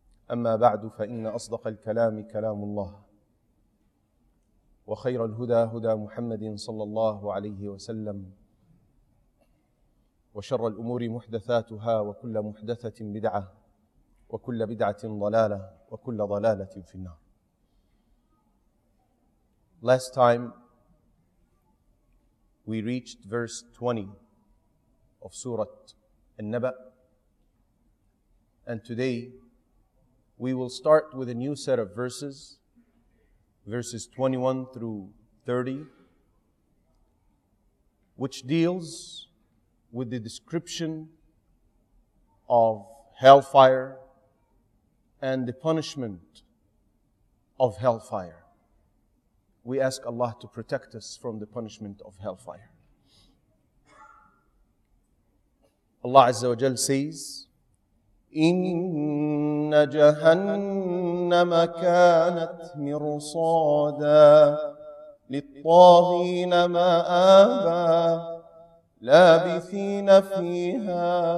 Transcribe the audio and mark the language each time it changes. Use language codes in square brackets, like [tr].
[ar] أما بعد، فإن أصدق الكلام كلام الله، وخير الهدى هدى محمد صلى الله عليه وسلم، وشر الأمور محدثاتها، وكل محدثة بدعة، وكل بدعة ضلالة، وكل ضلالة في النار. [en] Last time we reached verse 20 of Surah An-Naba, and today we will start with a new set of verses, verses 21 through 30, which deals with the description of hellfire and the punishment of hellfire. We ask Allah to protect us from the punishment of hellfire. Allah Azza wa Jal says, [ar] إِنَّ جَهَنَّمَ كَانَتْ مِرْصَادًا لِلطَّاغِينَ مَآبًا لَابِثِينَ فِيهَا